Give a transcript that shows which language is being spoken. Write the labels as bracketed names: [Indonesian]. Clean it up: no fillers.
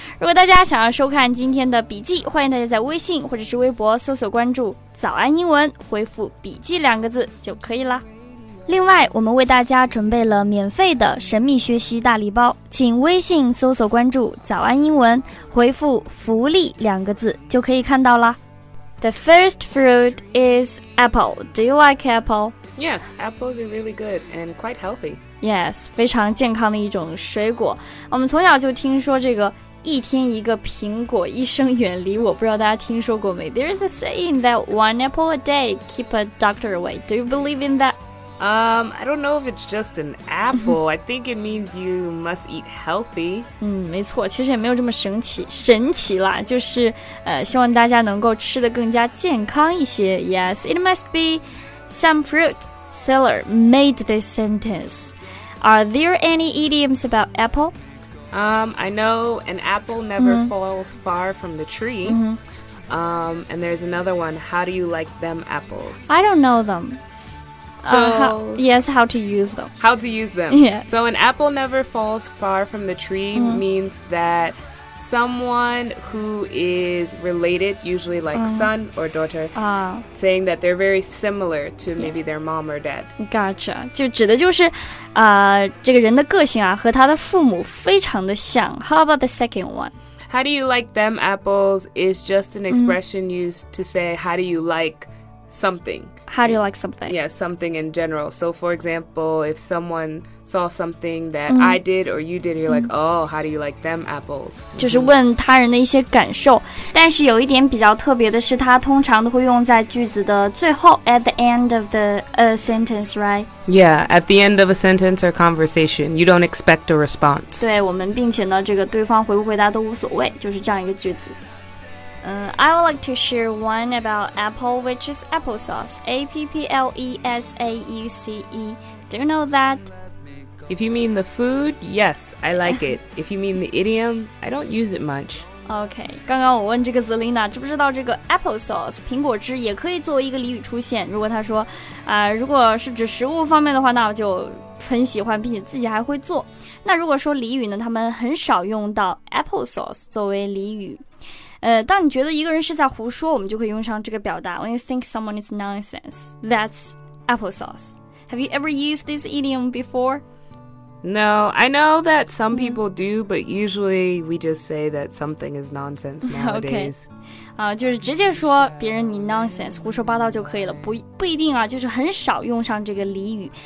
[Chinese] 如果大家想要收看今天的笔记，欢迎大家在微信或者是微博搜索关注“早安英文”，回复“笔记”两个字就可以了。另外，我们为大家准备了免费的神秘学习大礼包，请微信搜索关注“早安英文”，回复“福利”两个字就可以看到了。 [English] The first fruit is apple. Do you like apple? Yes, apples are really good and quite healthy. [Chinese] Yes, 非常健康的一种水果。我们从小就听说这个一天一个苹果，一生远离我。不知道大家听说过没？ [English] There is a saying that one apple a day keep a doctor away. Do you believe in that? I don't know if it's just an apple. I think it means you must eat healthy. [Chinese] 没错，其实也没有这么神奇啦，就是希望大家能够吃得更加健康一些。 [English] Yes, it must be some fruit. Seller made this sentence. Are there any idioms about apple? I know an apple never falls far from the tree. And there's another one. How do you like them apples? I don't know them. How to use them. How to use them. Yes. So an apple never falls far from the tree means that someone who is related, usually like son or daughter, saying that they're very similar to maybe their mom or dad. Gotcha. [Chinese] 就指的就是这个人的个性啊和他的父母非常的像。 [English] How about the second one? How do you like them apples is just an expression used to say how do you like something. How do you like something? Yeah, something in general. So for example, if someone saw something that I did or you did, you're like, oh, how do you like them apples? [Chinese] 就是问他人的一些感受。但是有一点比较特别的是它通常都会用在句子的最后 [English] at the end of the sentence, right? Yeah, at the end of a sentence or conversation, you don't expect a response. [Chinese] 对我们并且呢这个对方回不回答都无所谓就是这样一个句子。 [English] I would like to share one about apple, which is applesauce. A-P-P-L-E-S-A-U-C-E. Do you know that? If you mean the food, yes, I like it. If you mean the idiom, I don't use it much. [Chinese] Okay, 刚刚我问这个 Zelina, 知不知道这个 applesauce, 苹果汁也可以作为一个俚语出现。如果她说、如果是指食物方面的话那我就很喜欢并且自己还会做。那如果说俚语呢他们很少用到 applesauce 作为俚语。当你觉得一个人是在胡说，我们就可以用上这个表达。 [English] When you think someone is nonsense, that's applesauce. Have you ever used this idiom before? No, I know that some people do, but usually we just say that something is nonsense nowadays. [Chinese] Okay. 就是直接说别人你 nonsense, 胡说八道就可以了。不一定啊，就是很少用上这个俚语。